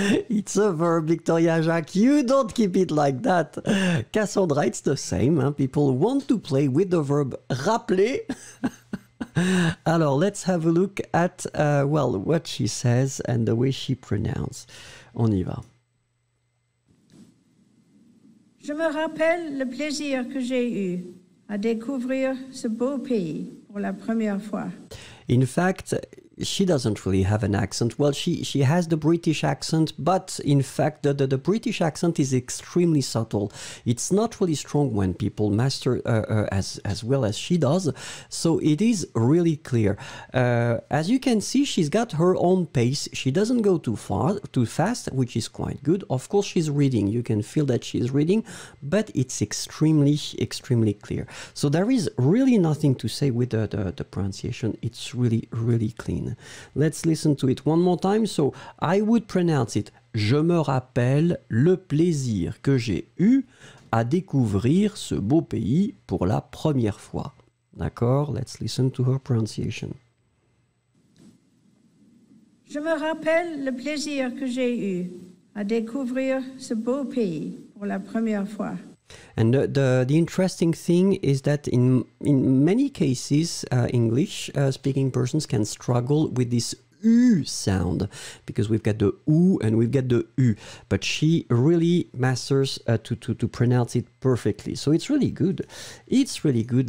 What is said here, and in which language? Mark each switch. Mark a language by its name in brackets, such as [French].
[English] It's a verb, Victoria Jacques, you don't keep it like that. Cassandra, it's the same, hein? People want to play with the verb rappeler. Alors, let's have a look at, well, what she says and the way she pronounces. [French] On y va. Je me rappelle le plaisir que j'ai eu à découvrir ce beau pays pour la première fois. [English] In fact, she doesn't really have an accent. Well, she has the British accent, but in fact, the British accent is extremely subtle. It's not really strong when people master as well as she does. So it is really clear. As you can see, she's got her own pace. She doesn't go too fast, which is quite good. Of course, she's reading. You can feel that she's reading, but it's extremely, extremely clear. So there is really nothing to say with the pronunciation. It's really, really clean. Let's listen to it one more time. So I would pronounce it: [French] je me rappelle le plaisir que j'ai eu à découvrir ce beau pays pour la première fois. D'accord? [English] Let's listen to her pronunciation. [French] Je me rappelle le plaisir que j'ai eu à découvrir ce beau pays pour la première fois. [English] And the interesting thing is that in many cases, English speaking persons can struggle with this U sound, because we've got the U and we've got the U, but she really masters to pronounce it perfectly. So it's really good. It's really good.